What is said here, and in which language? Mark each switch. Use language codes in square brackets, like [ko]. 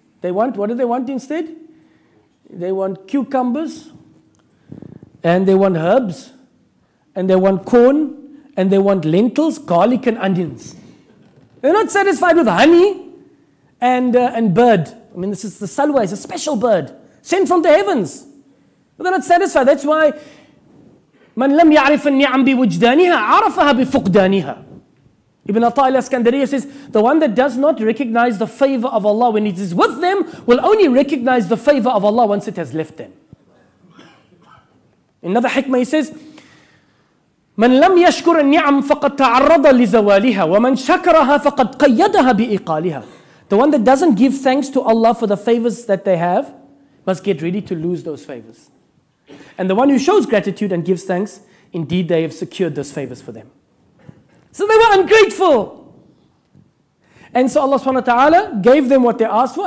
[en] What do they want instead? They want cucumbers, and they want herbs, and they want corn, and they want lentils, garlic, and onions. They're not satisfied with honey and bird. I mean, this is the salwa, it's a special bird sent from the heavens. But they're not satisfied. That's why [ar] من لم يعرف النعم بوجدانها عرفها بفقدانها. [en] Ibn Ata'il al-Iskandariya says, the one that does not recognize the favor of Allah when it is with them will only recognize the favor of Allah once it has left them. Another hikmah, he says, [ar] من لم يشكر النعم فقد تعرض لزوالها ومن شكرها فقد قيدها بإقالها. [en] The one that doesn't give thanks to Allah for the favors that they have must get ready to lose those favors. And the one who shows gratitude and gives thanks, indeed they have secured those favors for them. So they were ungrateful. And so Allah subhanahu wa ta'ala gave them what they asked for.